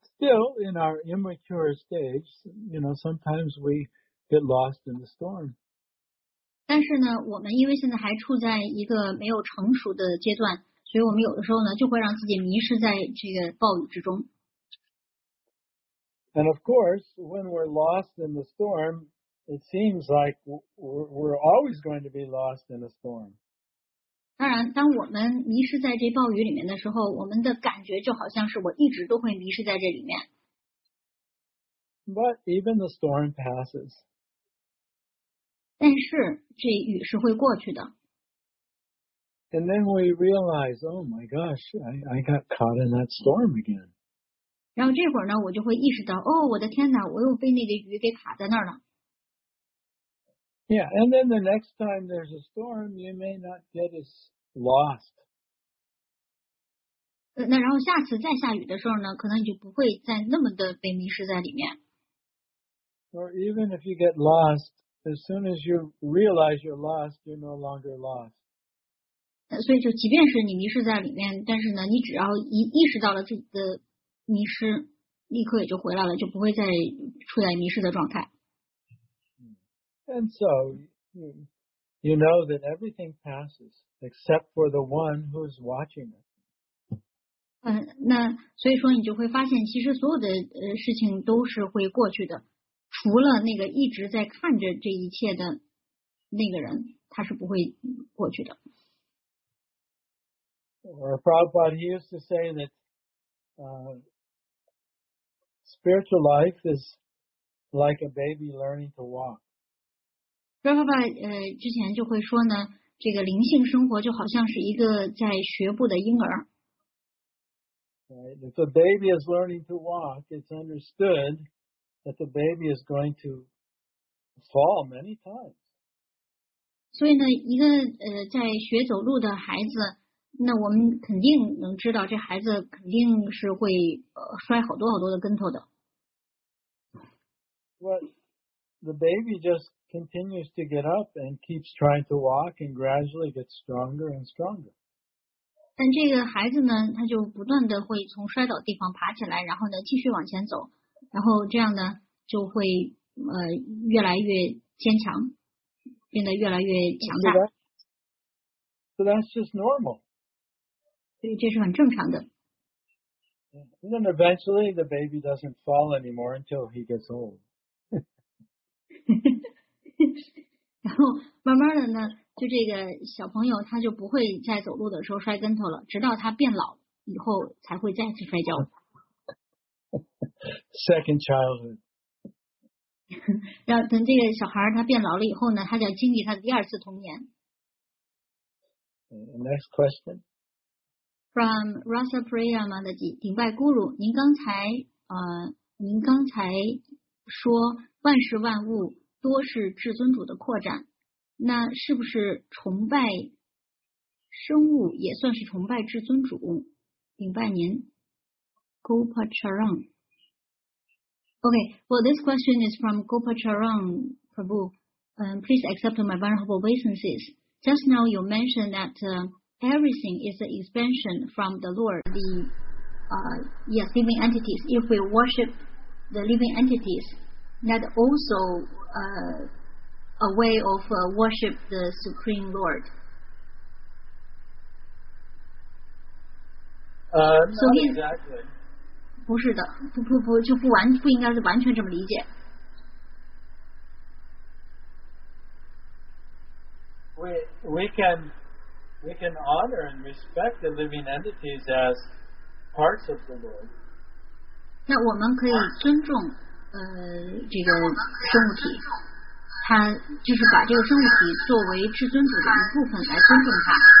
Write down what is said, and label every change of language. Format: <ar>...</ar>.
<en>still, in our immature stage, you know, sometimes we get lost in the storm.</en> <zh>但是呢，我们因为现在还处在一个没有成熟的阶段。所以我们有的时候呢，就会让自己迷失在这个暴雨之中。</zh> <en>And of course, when we're lost in the storm, it seems like we're always going to be lost in a storm.</en> <zh>当然，当我们迷失在这暴雨里面的时候，我们的感觉就好像是我一直都会迷失在这里面。</zh> <en>But even the storm passes.</en> <zh>但是这雨是会过去的。</zh> <en>And then we realize, oh my gosh, I got caught in that storm again.</en> <zh>然后这会儿呢，我就会意识到，哦，我的天哪，我又被那个雨给卡在那儿了。</zh> <en>Yeah, and then the next time there's a storm, you may not get as lost.</en> <zh>那然后下次再下雨的时候呢，可能你就不会再那么的被迷失在里面。</zh> <en>Or even if you get lost, as soon as you realize you're lost, you're no longer lost.</en> <zh>所以就即便是你迷失在里面，但是呢，你只要意识到了自己的迷失，立刻也就回来了，就不会再处在迷失的状态。</zh> <en>And so, you know that everything passes except for the one who's watching it.</en> <zh>那所以说你就会发现其实所有的事情都是会过去的。除了那个一直在看着这一切的那个人他是不会过去的。</zh> <en>Or Prabhupada, he used to say that, spiritual life is like a baby learning to walk.</en> <zh>爸爸爸之前就会说呢，这个灵性生活就好像是一个在学步的婴儿。</zh> <en>Right. If the baby is learning to walk, it's understood that the baby is going to fall many times.</en> <zh>所以呢，一个在学走路的孩子，那我们肯定能知道这孩子肯定是会摔好多好多的跟头的。</zh> <en>What the baby just. Continues to get up and keeps trying to walk and gradually gets stronger and stronger.</en> <zh>但这个孩子呢，他就不断的会从摔倒地方爬起来，然后呢继续往前走，然后这样呢就会越来越坚强，变得越来越强大。</zh> <en>So that's just normal.</en> <zh>所以这是很正常的。</zh> <en>And then eventually the baby doesn't fall anymore until he gets old.</en> <zh>然后慢慢的呢，就这个小朋友他就不会在走路的时候摔跟头了，直到他变老以后才会再次摔跤。</zh> <en>Second childhood.</en> <zh>然后等这个小孩他变老了以后呢，他就要经历他的第二次童年。</zh> <en>Next question.</en> <zh>From Rasa Priya Madhaji, 顶拜 Guru, 您刚才说万事万物。多是至尊主的扩展，那是不是崇拜生物也算是崇拜至尊主？顶拜您 ，Gopacharan。</zh> <en>Okay, well, this question is from Gopacharan Prabhu. Please accept my vulnerable obeisances. Just now, you mentioned that everything is an expansion from the Lord, the living entities. If we worship the living entities. That also a way of worship the Supreme Lord. Not exactly.</en> <zh>不是的，不就不完不应该是完全这么理解。</zh> <en>We can honor and respect the living entities as parts of the Lord.</en> <zh>那我们可以尊重。这个生物体，它就是把这个生物体作为至尊主的一部分来尊重它。</zh>